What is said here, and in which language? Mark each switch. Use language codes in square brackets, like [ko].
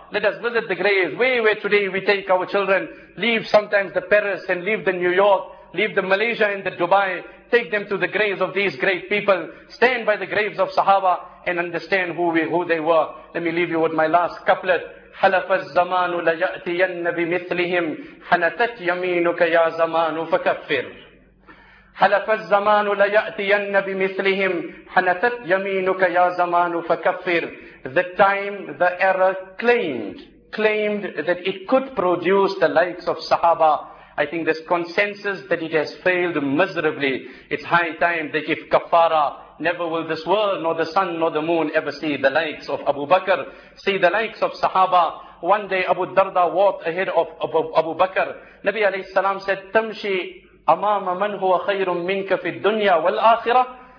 [en] Let us visit the graves. Where today we take our children, leave sometimes the Paris and leave the New York, leave the Malaysia and the Dubai, take them to the graves of these great people, stand by the graves of Sahaba and understand who they were. Let me leave you with my last couplet. [ar] حَلَفَ الزَّمَانُ لَيَأْتِيَنَّ بِمِثْلِهِمْ حَنَتَتْ يَمِينُكَ يَا زَمَانُ فَكَفِّرْ حَلَفَ الزَّمَانُ لَيَأْتِيَنَّ بِمِثْلِهِمْ حَنَتَتْ يَمِينُكَ يَا زَمَانُ فَكَفِّرْ [en] The time, the era claimed that it could produce the likes of Sahaba. I think this consensus that it has failed miserably. It's high time they give kafara. Never will this world, nor the sun, nor the moon ever see the likes of Abu Bakr, see the likes of Sahaba. One day Abu Darda walked ahead of Abu Bakr. Nabi alayhi salam said, [ar] Tamshi amama man huwa khayrun minka fi dunya wal akhirah.